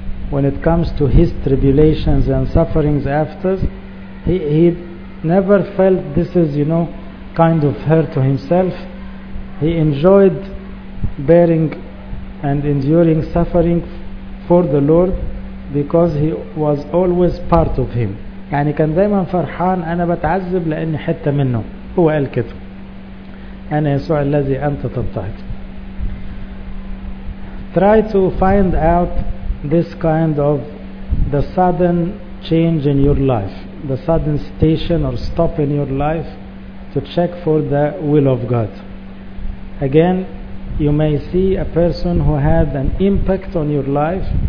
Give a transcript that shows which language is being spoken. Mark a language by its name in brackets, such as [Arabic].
[English] When it comes to his tribulations and sufferings after, he never felt this is, you know, kind of hurt to himself. He enjoyed bearing and enduring suffering for the Lord because he was always part of him. [Arabic] يعني كان دايما فرحان، انا بتعذب لاني حتة منه. هو قال كده، انا يسوع الذي انت تضطهد. [English] Try to find out this kind of the sudden change in your life, the sudden station or stop in your life, to check for the will of God. Again, you may see a person who had an impact on your life.